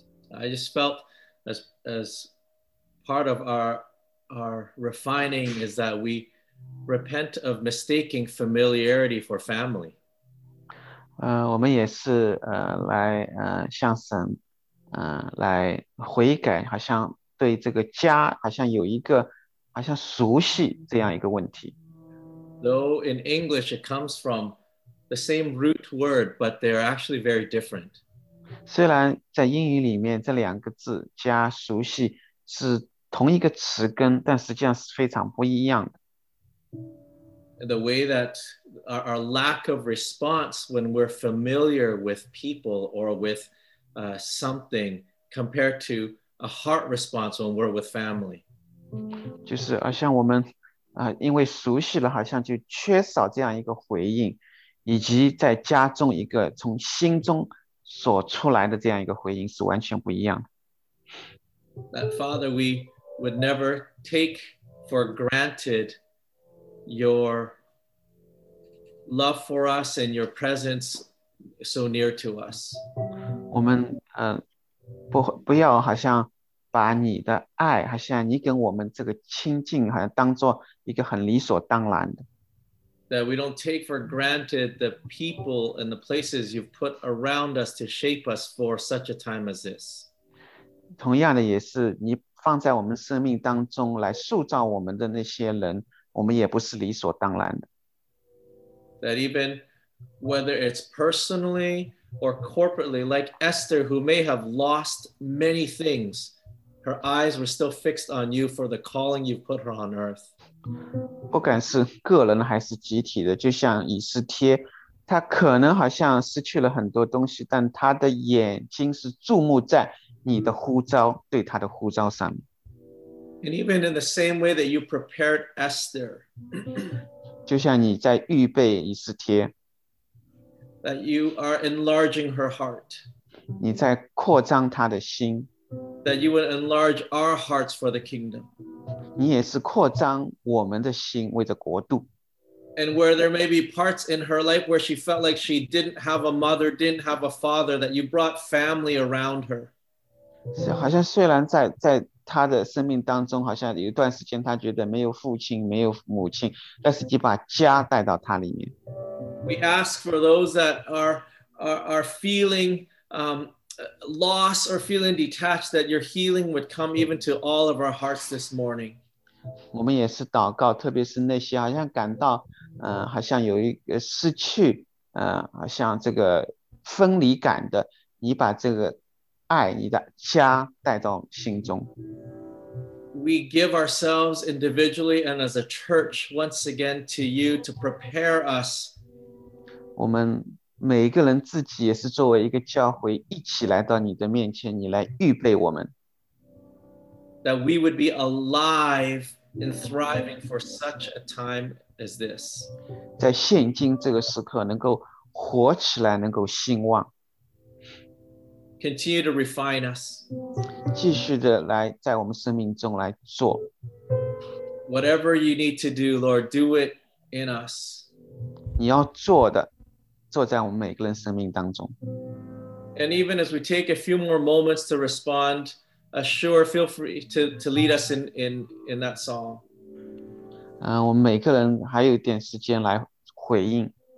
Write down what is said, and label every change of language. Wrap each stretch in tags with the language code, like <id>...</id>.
<en>I just felt as part of our refining is that we repent of mistaking familiarity for family.</en> <zh>我们也是来向神来悔改，好像对这个家好像有一个。好像熟悉这样一个问题。</zh> <en>Though in English it comes from the same root word, but they're actually very different.</en> <zh>虽然在英语里面这两个字加熟悉是同一个词根，但实际上是非常不一样的。</zh> <en>The way that our lack of response when we're familiar with people or with something compared to a heart response when we're with family.</en> <zh>就是好像我们因为熟悉了好像就缺少这样一个回应以及再加重一个从心中所出来的这样一个回应是完全不一样的。</zh> <en>That Father, we would never take for granted your love for us and your presence so near to us.</en> <zh>我们不要好像把你的爱好像你跟我们这个亲近好像当作一个很理所当然的。</zh> <en>That we don't take for granted the people and the places you've put around us to shape us for such a time as this.</en> <zh>同样的也是你放在我们生命当中来塑造我们的那些人我们也不是理所当然的。</zh> <en>That even whether it's personally or corporately, like Esther, who may have lost many things,Her eyes were still fixed on you for the calling you put her on earth.</en> <zh>不管是个人还是集体的，就像以斯帖，他可能好像失去了很多东西，但他的眼睛是注目在你的呼召，对他的呼召上面。</zh> <en>And even in the same way that you prepared Esther,</en> <zh>就像你在预备以斯帖，</zh> <en>that you are enlarging her heart.</en> <zh>你在扩张她的心。</zh> <en>that you would enlarge our hearts for the kingdom.</en> <zh>你也是扩张我们的心为着国度。</zh> <en>And where there may be parts in her life where she felt like she didn't have a mother, didn't have a father, that you brought family around her.</en> <zh>好像虽然在她的生命当中，好像有一段时间她觉得没有父亲，没有母亲，但是你把家带到她里面。</zh> <en>We ask for those that are feeling loss or feeling detached, that your healing would come even to all of our hearts this morning.</en> <zh>我们也是祷告，特别是那些好像感到好像有一个失去好像这个分离感的，你把这个爱，你的家带到心中。</zh> <en>We give ourselves individually and as a church once again to you to prepare us.</en> <zh>我们每个人自己也是作为一个教会一起来到你的面前，你来预备我们。</zh> <en>That we would be alive and thriving for such a time as this.</en> <zh>在现今这个时刻能够活起来，能够兴旺。</zh> <en>Continue to refine us.</en> <zh>继续的来在我们生命中来做。</zh> <en>Whatever you need to do, Lord, do it in us.</en> <zh>你要做的，做在我们每个人生命当中。</zh> <en>And even as we take a few more moments to respond, sure, feel free to lead us in that song.</en> <zh>我们每个人还有一点时间来回应。</zh>